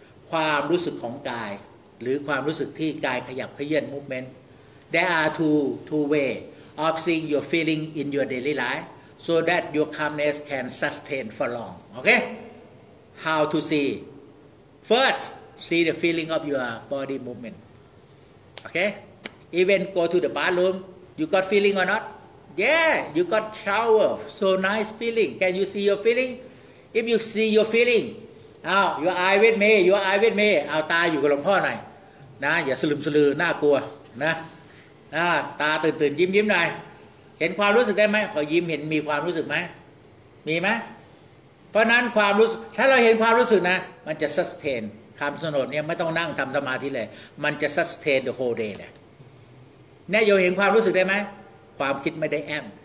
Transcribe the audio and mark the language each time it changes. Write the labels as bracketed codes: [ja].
[th] ความรู้สึกของกายหรือความรู้สึกที่กายขยับเคลื่อน [en] movement there are two way of seeing your feeling in your daily life so that your calmness can sustain for long okay how to seeFirst, see the feeling of your body movement. Okay? Even go to the bathroom, you got feeling or not? Yeah, you got shower, so nice feeling. Can you see your feeling? If you see your feeling, your eye with me. [th] เอาตาอยู่กับหลวงพ่อหน่อยนะอย่าสลึมสลือน่ากลัวนะตาตื่นๆยิ้มหน่อยเห็นความรู้สึกได้ไหมพอยิ้มเห็นมีความรู้สึกไหมมีไหมเพราะนั้นความรู้สึกถ้าเราเห็นความรู้สึกนะมันจะซัสเทนความสงบเนี่ยไม่ต้องนั่งทำสมาธิเลยมันจะ [en] ซัสเทนเดอะโฮเดย์ [th] เนี่ยเนี่ยโยเห็นความรู้สึกได้ไหมความคิดไม่ได้แอม